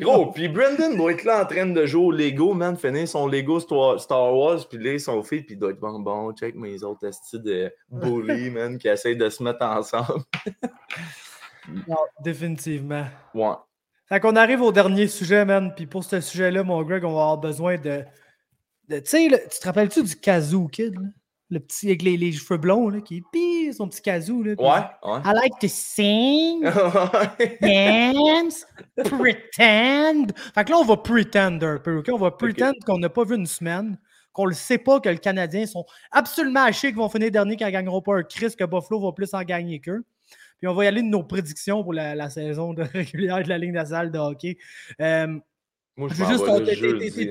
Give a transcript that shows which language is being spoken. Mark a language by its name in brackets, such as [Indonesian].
[French] Gros, puis Brandon doit être là en train de jouer au Lego, man, finir son Lego Star Wars, puis là, son fils, puis il doit être bon, check mes autres estis de bully, man, qui essayent de se mettre ensemble. Non, définitivement. Ouais. Fait qu'on arrive au dernier sujet, man, puis pour ce sujet-là, mon Greg, on va avoir besoin de tu sais, tu te rappelles-tu du Kazoo Kid, là? Le petit avec les cheveux blonds là, qui pisse son petit casou. Là, ouais, ouais. [English] I like to sing, dance, pretend. [French] Fait que là, on va pretend un peu, OK? On va pretend qu'on n'a pas vu une semaine, qu'on le sait pas que les Canadiens sont absolument hachés qu'ils vont finir dernier, qu'ils ne gagneront pas un Chris, que Buffalo va plus en gagner qu'eux. Puis on va y aller de nos prédictions pour la saison de régulière de la Ligue nationale de hockey. Moi, je pense que